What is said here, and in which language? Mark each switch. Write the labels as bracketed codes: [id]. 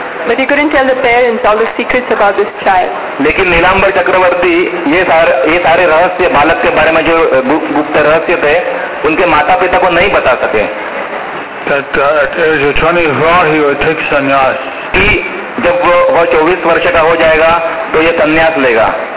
[en] But he couldn't tell the parents all the secrets about this child. [hi] लेकिन नीलांबर चक्रवर्ती ये सारे रहस्य बालक के बारे में जो गुप्त रहस्य थे उनके माता पिता को नहीं बता सके. [en] That at age 24 he would take sannyas. [hi] कि जब वह 24 वर्ष का हो जाएगा तो ये सन्यास लेगा.